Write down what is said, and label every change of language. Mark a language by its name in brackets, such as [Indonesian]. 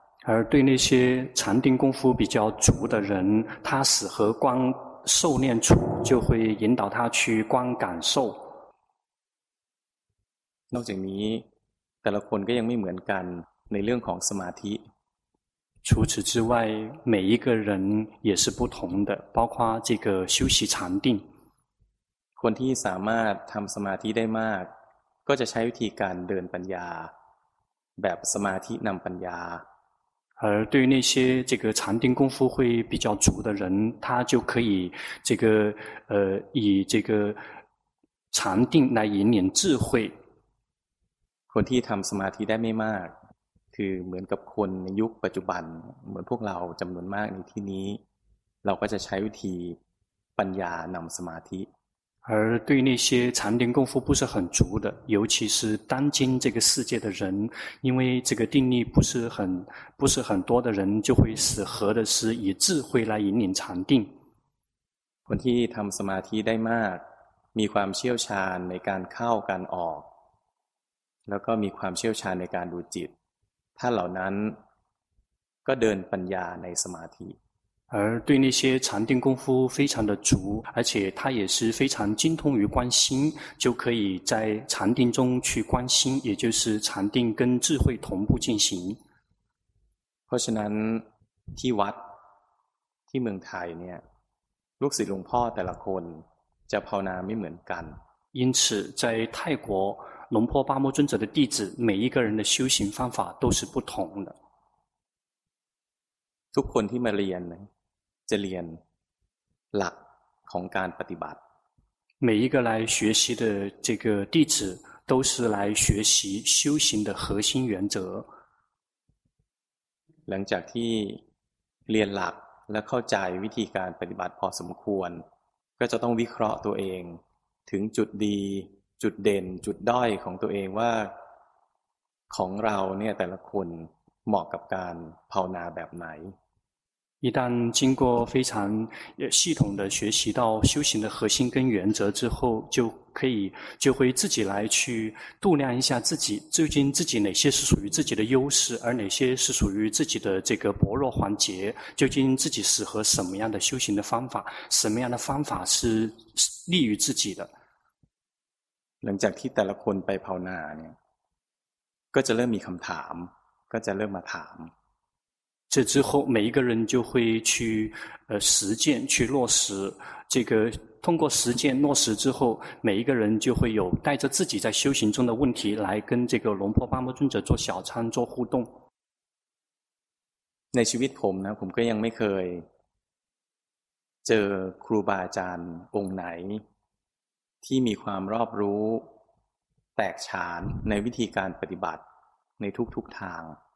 [Chinese] 而对那些禅定功夫比较足的人，他适合观受念处，就会引导他去观感受。 [Thai] นอกจากนี้แต่ละคนก็ยังไม่เหมือนกันในเรื่องของสมาธิ。 [Chinese] 除此之外，每一个人也是不同的，包括这个修习禅定。 [Thai] คนที่สามารถทำสมาธิได้มากก็จะใช้วิธีการเดินปัญญาแบบสมาธินำปัญญา [Chinese] 而对那些这个禅定功夫会比较足的人，他就可以这个以这个禅定来引领智慧。 [Thai] คนที่ทำสมาธิได้ไม่มากคือเหมือนกับคนในยุคปัจจุบันเหมือนพวกเราจำนวนมากในที่นี้เราก็จะใช้วิธีปัญญานำสมาธิ [Chinese] 而对那些禅定功夫不是很足的，尤其是当今这个世界的人，因为这个定力不是很多的人，就会适合的是以智慧来引领禅定。 [Thai] คนที่ทำสมาธิได้มากมีความเชี่ยวชาญในการเข้าการออกแล้วก็มีความเชี่ยวชาญในการดูจิตถ้าเหล่านั้นก็เดินปัญญาในสมาธิ [Chinese] 而对那些禅定功夫非常的足，而且他也是非常精通于观心，就可以在禅定中去观心，也就是禅定跟智慧同步进行。 [Thai] เพราะฉะนั้นที่วัดที่เมืองไทยเนี่ยลูกศิษย์หลวงพ่อแต่ละคนจะภาวนาไม่เหมือนกัน [Chinese] 因此在泰国龙坡八摩尊者的弟子每一个人的修行方法都是不同的 [Thai] ทุกคนที่มาเรียนจะเรียนหลักของการปฏิบัติ [Chinese] 每一个来学习的这个弟子都是来学习修行的核心原则 [Thai] หลังจากที่เรียนหลักและเข้าใจวิธีการปฏิบัติพอสมควรก็จะต้องวิเคราะห์ตัวเองถึงจุดดีจุดเด่นจุดด้อยของตัวเองว่าของเราเนี่ยแต่ละคนเหมาะกับการภาวนาแบบไหน [Chinese] 一旦经过非常系统的学习到修行的核心跟原则之后就可以就会自己来去度量一下自己究竟自己哪些是属于自己的优势而哪些是属于自己的这个薄弱环节究竟自己适合什么样的修行的方法什么样的方法是利于自己的 [Thai] หลังจากที่แต่ละคนไปภาวนาเนี่ยก็จะเริ่มมีคำถามก็จะเริ่มมาถาม [Chinese] 这之后每一个人就会去实践去落实这个，通过实践落实之后，每一个人就会有带着自己在修行中的问题来跟这个龙婆巴木尊者做小参做互动。 [Thai] ในชีวิตผมนะผมก็ยังไม่เคยเจอครูบาอาจารย์องค์ไหนที่มีความรอบรู้แตกฉานในวิธีการปฏิบัติในทุกทาง